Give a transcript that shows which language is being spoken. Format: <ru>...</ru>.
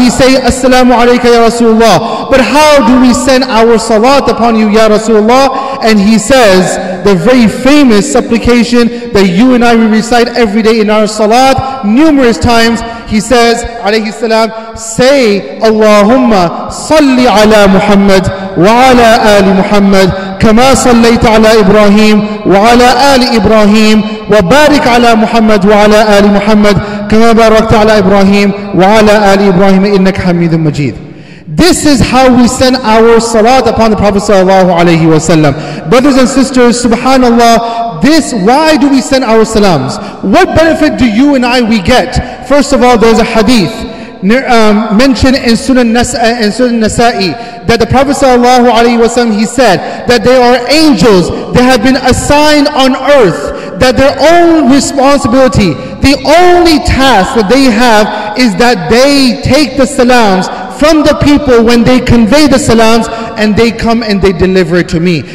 <en>We say,</en> <ar>Assalamu alayka ya Rasulullah.</ar> <en>But how do we send our salat upon you, Ya Rasulullah? And he says, the very famous supplication that you and I will recite every day in our salat, numerous times, he says, alayhi salam, say,</en> <ar>Allahumma salli ala Muhammad wa ala ali Muhammad, كما صليت على إبراهيم وعلى آل إبراهيم وبارك على محمد وعلى آل محمد كما باركت على إبراهيم وعلى آل إبراهيم إنك حميد مجيد.</ar> <en>This is how we send our salat upon the Prophet sallallahu alayhi wa sallam. Brothers and sisters, subhanallah, this, why do we send our salams? What benefit do you and I, we get? First of all, there's a hadith mentioned in Sunan Nasa'i that the Prophet sallallahu alayhi wa sallam, he said that there are angels that have been assigned on earth, that their own responsibility, the only task that they have is that they take the salams from the people when they convey the salams and they come and they deliver it to me.</en>